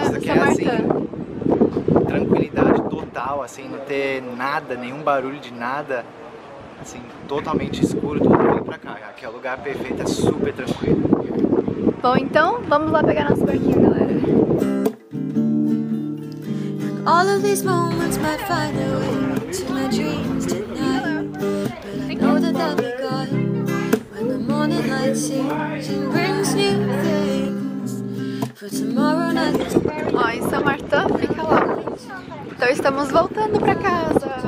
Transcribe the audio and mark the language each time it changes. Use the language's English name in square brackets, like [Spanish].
[Portuguese] você quer, assim, tranquilidade total, assim, não ter nada, nenhum barulho de nada, assim, totalmente escuro, tudo bem pra cá. Aqui é o lugar perfeito, é super tranquilo. Bom, então vamos lá pegar nosso barquinho, galera. [English] All of these moments might find their way to my dreams tonight. But I know that I'll be gone when the morning light sings and brings new things for tomorrow night. [Portuguese] Ó, em São Martão, fica lá. Então estamos voltando pra casa.